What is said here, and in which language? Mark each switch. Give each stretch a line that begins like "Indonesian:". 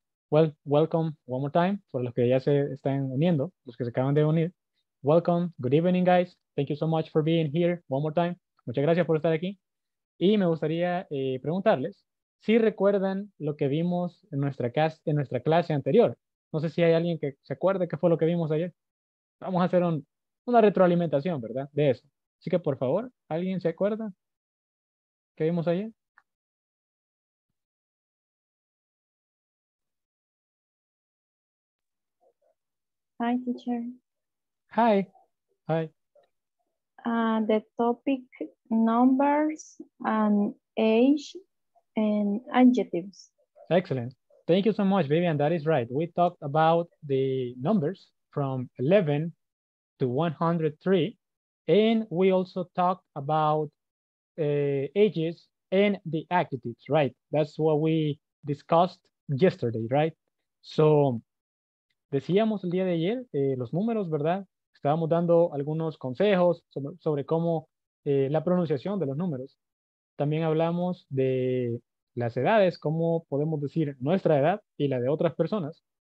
English: Well, welcome one more time for
Spanish: los que ya se están uniendo, los que se acaban de unir.
English: Welcome, good evening, guys. Thank you so much for being here one more time.
Spanish: Muchas gracias por estar aquí. Y me gustaría preguntarles si recuerdan lo que vimos en nuestra clase anterior. No sé si hay alguien que se acuerde qué fue lo que vimos ayer. Vamos a hacer una retroalimentación, ¿verdad? De eso. Así que, por favor, ¿alguien se acuerda qué vimos ayer?
English: Hi, teacher. Hi. Hi. The topic numbers and age and adjectives. Excellent. Thank you so much, Vivian. That is right. We talked about the numbers from 11 to 103. And we also talked about ages and the adjectives, right? That's what we discussed yesterday, right?
Spanish: So decíamos el día de ayer los números, ¿verdad? Estábamos dando algunos consejos sobre cómo la pronunciación de los números. También hablamos de las edades, cómo podemos decir nuestra edad y la de otras personas.